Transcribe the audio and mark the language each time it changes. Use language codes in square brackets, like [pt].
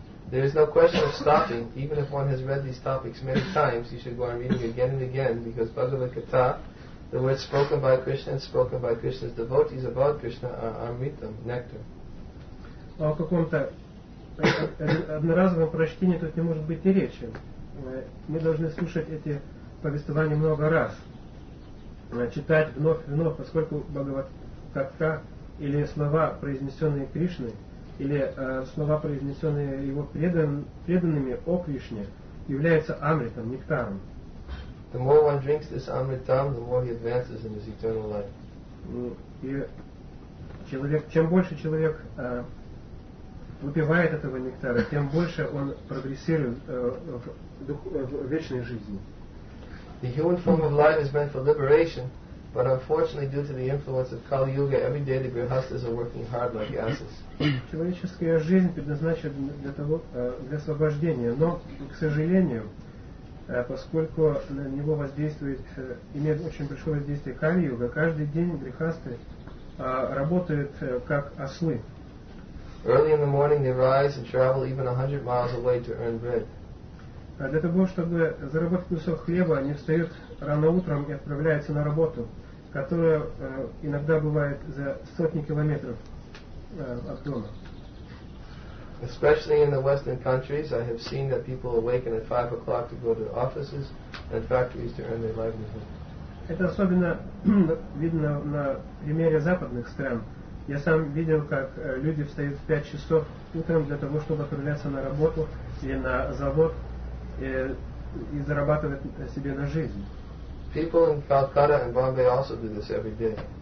[en] There is no question of stopping. Even if one has read these topics many times, you should go on reading again and again, because Bhagavad Gita, the words spoken by Krishna and spoken by Krishna's devotees about Krishna, are amritam, nectar. [ru] О каком-то одноразовом прочтении тут не может быть и речи. Мы должны слушать эти повествования много раз, читать вновь и вновь, поскольку Бхагавад Гита или слова, произнесенные Кришной, или слова, произнесенные его преданными о Кришне, являются амритом, нектаром. [en] The more one drinks this amritam, the more he advances in his eternal life. [ru] И человек, чем больше человек выпивает этого нектара, тем больше он прогрессирует в вечной жизни. [en] The human form of life is meant for liberation, but unfortunately, due to the influence of Kali Yuga, every day the grihasthas are working hard like asses. [ru] Человеческая жизнь предназначена для того, для освобождения, но, к сожалению, поскольку на него воздействует, имеет очень большое воздействие Кали Юга, каждый день грихасты работают как ослы. [en] Early in the morning they rise and travel even 100 miles away to earn bread. [ru] Для того, чтобы заработать кусок хлеба, они встают рано утром и отправляются на работу, которая иногда бывает за сотни километров от дома. [en] Especially in the western countries, I have seen that people awaken at 5 o'clock to go to offices and factories to earn their livelihood. [ru] Это особенно видно на примере западных стран. Я сам видел, как люди встают в 5 часов утром для того, чтобы отправляться на работу или на завод и зарабатывать себе на жизнь. [en] People in Calcutta and Bombay also do this every day.